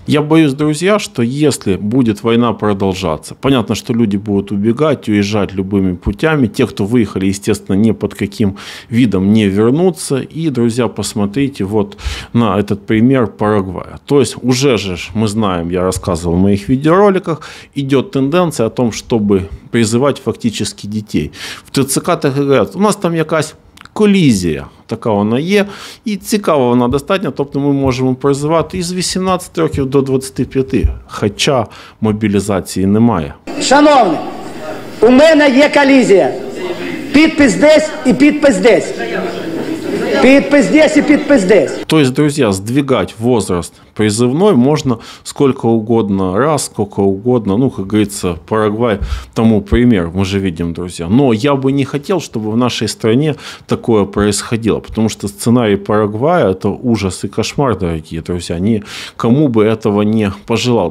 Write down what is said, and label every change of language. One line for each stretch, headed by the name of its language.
Russian: Я боюсь, друзья, что если будет война продолжаться, понятно, что люди будут убегать, уезжать любыми путями, те, кто выехали, естественно, ни под каким видом не вернутся, и, друзья, посмотрите вот на этот пример Парагвая. То есть, уже же мы знаем, я рассказывал в моих видеороликах, идет тенденция о том, чтобы призывать фактически детей. В ТЦК так и говорят,
Ukrainian: у нас там якась коллизия, такая она е, и цікавого вона достатньо, тобто ми можемо призивати із 18 років до 25, хоча мобілізації немає. Шановні, у мене є колізія. Підпис десь і підпис десь. Підпис десь і підпис десь.
Russian: То есть, друзья, сдвигать возраст призывной можно сколько угодно раз, сколько угодно, ну, как говорится, Парагвай тому пример, мы же видим, друзья. Но я бы не хотел, чтобы в нашей стране такое происходило, потому что сценарий Парагвая – это ужас и кошмар, дорогие друзья, никому бы этого не пожелал.